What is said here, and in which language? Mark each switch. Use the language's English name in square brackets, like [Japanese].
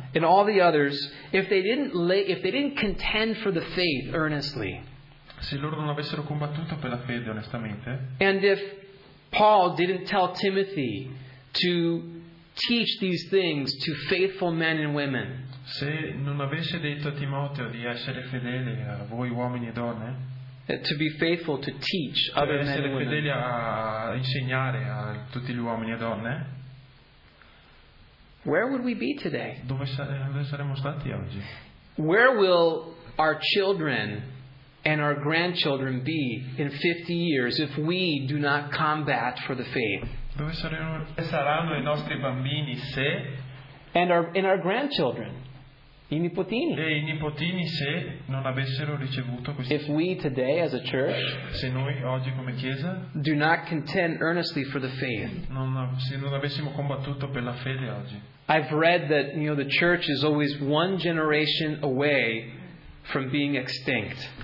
[English] and all the others, if they didn't contend for the faith earnestly, [Italian] se loro non avessero combattuto per la fede onestamente, [English] and if Paul didn't tell Timothy to teach these things to faithful men and women, [Italian] se non avesse detto a Timoteo di essere fedele a voi uomini e donne, [English] to be faithful to teach other men and women, [Italian] essere fedeli a insegnare a tutti gli uomini e donne, [English] where would we be today? [Italian] Dove saremmo stati oggi? [English] Where will our children and our grandchildren be in 50 years if we do not combat for the faith? [Italian] Dove saranno i nostri bambini se? [English] And our grandchildren, [Italian] i nipotini. E i nipotini se non avessero ricevuto questo. [English] If we today as a church, [Italian] se noi oggi come chiesa, [English] do not contend earnestly for the faith. [Italian] Se non avessimo combattuto per la fede oggi. [English] I've read that, you know, the church is always one generation away from being extinct.